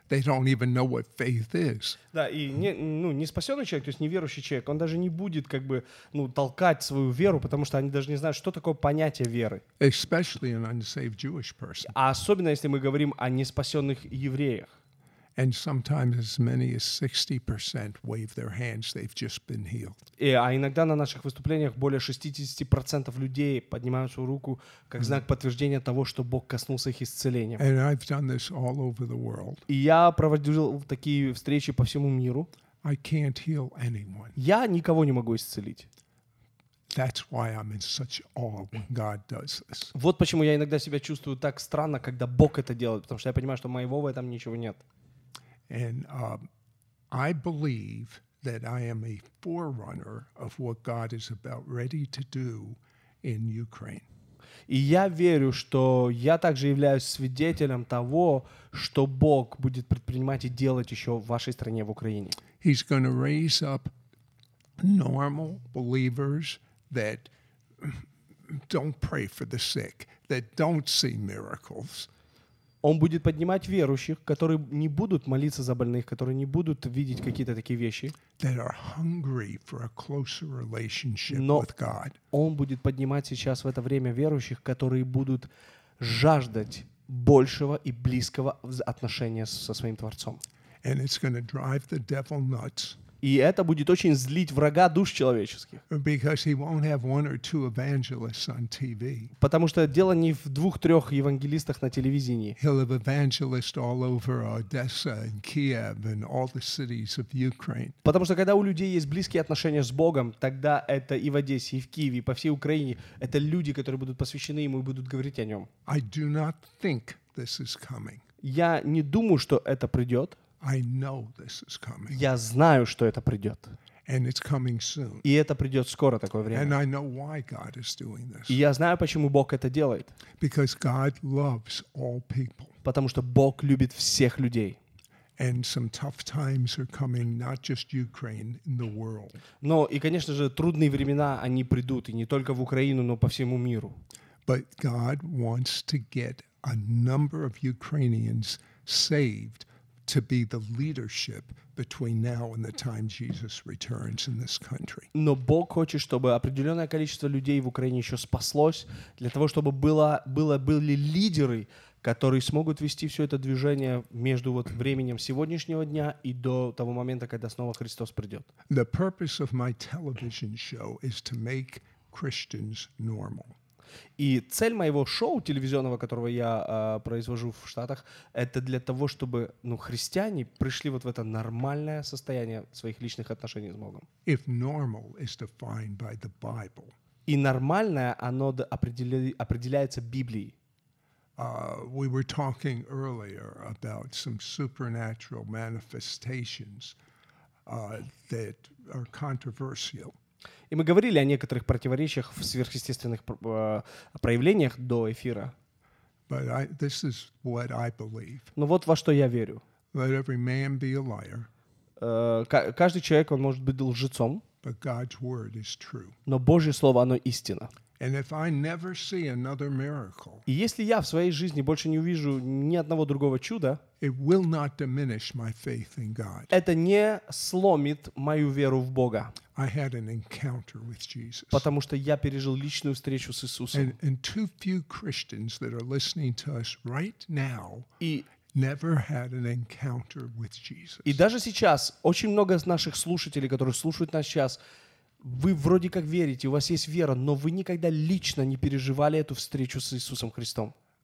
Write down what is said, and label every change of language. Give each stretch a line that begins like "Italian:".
English: They don't even know what faith is.
Russian: Да, и не спасенный человек, то есть неверующий человек, он даже не будет как бы, толкать свою веру, потому что они даже не знают, что такое понятие веры.
English: Especially an unsaved Jewish person.
Russian: А особенно если мы говорим о неспасенных евреях.
English: And sometimes as many as 60% wave their hands, they've just been healed.
Russian: И а иногда на наших выступлениях более 60% людей поднимают свою руку как знак подтверждения того, что Бог коснулся их исцелением.
English: And I've done this all over the world.
Russian: И я проводил такие встречи по всему миру.
English: I can't heal anyone.
Russian: Я никого не могу исцелить.
English: That's why I'm in such awe when God does this.
Russian: Вот почему я иногда себя чувствую так странно, когда Бог это делает, потому что я понимаю, что моего в этом ничего нет.
English: And I believe that I am a forerunner of what God is about ready to do in Ukraine.
Russian: И я верю, что я также являюсь свидетелем того, что Бог будет предпринимать и делать еще в вашей стране, в Украине.
English: He's going to raise up normal believers that don't pray for the sick, that don't see miracles.
Russian: Он будет поднимать верующих, которые не будут молиться за больных, которые не будут видеть какие-то такие вещи.
English: That are hungry for a closer relationship with God.
Russian: Но он будет поднимать сейчас в это время верующих, которые будут жаждать большего и близкого отношения со своим Творцом.
English: And it's going to drive the devil nuts.
Russian: И это будет очень злить врага душ человеческих.
English: Because he won't have one or two evangelists on TV.
Russian: Потому что дело не в двух-трех евангелистах на телевидении.
English: He'll have evangelists all over Odessa and Kiev and all the cities of Ukraine.
Russian: Потому что когда у людей есть близкие отношения с Богом, тогда это и в Одессе, и в Киеве, и по всей Украине, это люди, которые будут посвящены ему и будут говорить о нем.
English: I do not think this is coming.
Russian: Я не думаю, что это придет.
English: I know this is coming.
Russian: Я знаю, что это придет.
English: And it's coming soon.
Russian: И это придет скоро такое время.
English: And I know why God is doing this.
Russian: И я знаю, почему Бог это делает.
English: Because God loves all people.
Russian: Потому что Бог любит всех людей.
English: And some tough times are coming, not just Ukraine, in the world.
Russian: Но и, конечно же, трудные времена они придут и не только в Украину, но по всему миру.
English: But God wants to get a number of Ukrainians saved. To be the leadership between now and the time Jesus returns in this country.
Russian: Но Бог хочет, чтобы определенное количество людей в Украине еще спаслось, для того, чтобы были лидеры, которые смогут вести все это движение между вот временем сегодняшнего дня и до того момента, когда снова Христос придет.
English: The purpose of my television show is to make Christians normal.
Russian: И цель моего шоу телевизионного, которого я произвожу в Штатах, это для того, чтобы христиане пришли вот в это нормальное состояние своих личных отношений с Богом.
English: If normal is defined by the Bible,
Russian: и нормальное, оно определяется Библией.
English: We were talking earlier about some supernatural manifestations that are controversial.
Russian: И мы говорили о некоторых противоречиях в сверхъестественных проявлениях до эфира.
English: But this is what I believe.
Russian: Но вот во что я верю.
English: Let every man be a liar.
Russian: Каждый человек, он может быть лжецом.
English: But God's word is true.
Russian: Но Божье слово, оно истина.
English: And if I never see another miracle,
Russian: и если я в своей жизни больше не увижу ни одного другого чуда,
English: it will not diminish my faith in God.
Russian: Это не сломит мою веру в Бога.
English: I had an encounter with Jesus.
Russian: Потому что я пережил личную встречу с Иисусом.
English: And too few Christians that are listening to us right now never had an encounter with Jesus.
Russian: И даже сейчас очень много наших слушателей, которые слушают нас сейчас, вы вроде как верите, у вас есть вера, но вы никогда лично не переживали эту встречу с Иисусом Христом.